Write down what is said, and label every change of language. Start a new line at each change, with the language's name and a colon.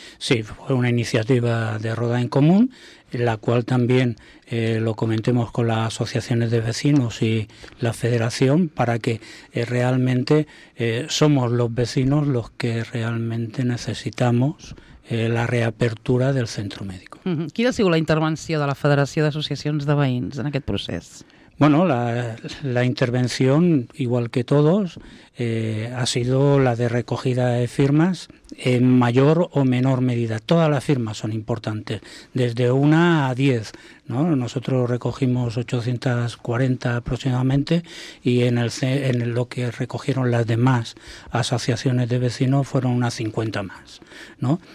Spanish: Sí, fue una iniciativa de Roda en Común, la cual también lo comentemos con las asociaciones de vecinos y la federación para que realmente somos los vecinos los que realmente necesitamos la reapertura del centro médico.
Catalan: Quina ha sigut la intervenció de la Federació d'Associacions de Veïns en aquest procés?
Spanish: Bueno, la intervención, igual que todos, ha sido la de recogida de firmas en mayor o menor medida. Todas las firmas son importantes, desde una a diez, ¿no? Nosotros recogimos 840 aproximadamente y en lo que recogieron las demás asociaciones de vecinos fueron unas 50 más, ¿no?